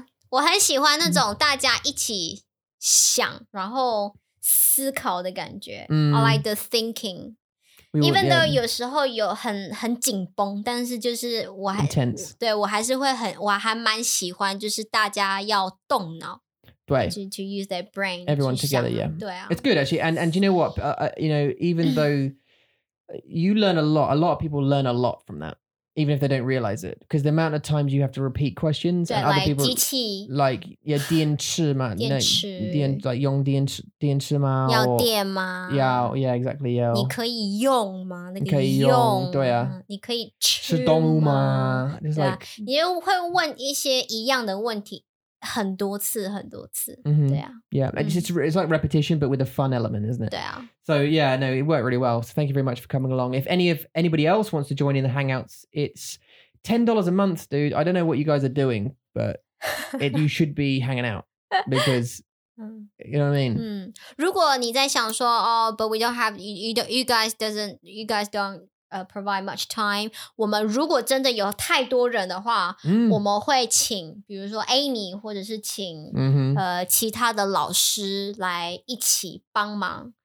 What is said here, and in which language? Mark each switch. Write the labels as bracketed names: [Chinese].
[Chinese] 我很喜欢那种大家一起想然后思考的感觉。 [English] I like the thinking. Even though [Chinese] 有时候有很紧绷但是就是我还 [English] Intense. [Chinese] 对我还是会很我还蛮喜欢就是大家要动脑。 [English] To use their brain. Everyone together, yeah. [Chinese] 对啊。 [English] It's good, actually. And you know what? You know, even though you learn a lot of people learn a lot from that, even if they don't realize it. Because the amount of times you have to repeat questions [Chinese] 对, [English] and other people... [Chinese] 机器, [English] like, yeah, [Chinese] 电池嘛, 电池, no, 电, like, 用电池, 电池嘛, 要电吗? [English] Yeah, yeah, exactly, yeah. [Chinese] 你可以用吗?那个用, 你可以用, 对啊。你可以吃吗? 是动物吗? [English] It's like, [Chinese] 你又会问一些一样的问题。很多次很多次、 mm-hmm. 对啊 [English] yeah it's like repetition but with a fun element isn't it [Chinese] 对啊 [English] so yeah no it worked really well so thank you very much for coming along if anybody else wants to join in the hangouts it's $10 a month dude I don't know what you guys are doing but it, you should be hanging out because you know what I mean [Chinese] 如果你在想说 [English] oh but we don't have you guys don't provide much time. [Chinese] 我们如果真的有太多人的话，我们会请，比如说 Amy， 或者是请、其他的老师来一起帮忙。